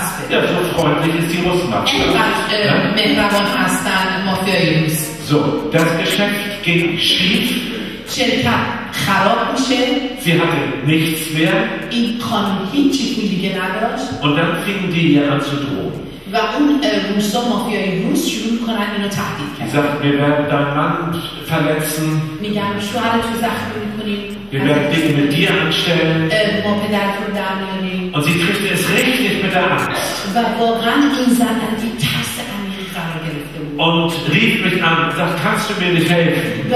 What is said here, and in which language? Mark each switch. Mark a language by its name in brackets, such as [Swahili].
[German] Ja, so freundlich ist die Russenmafia. Ja. So, das Geschäft ging schief. [Persian] شرکت خراب میشه. [German] Sie hatte nichts mehr. [Persian] این کان هیچی پولی که نداشت. [German] Und dann fingen die ihr an zu drohen. [Persian] و اون روسا مافیای روس شروع کردن اینو تهدید کردن. [German] Sagt, wir werden deinen Mann verletzen. [Persian] میگن شوهرت رو زخمی میکنیم. [German] Wir werden dich mit dir anstellen. [Persian] ما پدرت رو در میاریم. [German] Und sie trifft es richtig mit der Angst. [Persian] و واقعا این زن در این ترس عمیق قرار گرفته بود. [German] Und rief mich an und sagt, kannst du mir nicht helfen?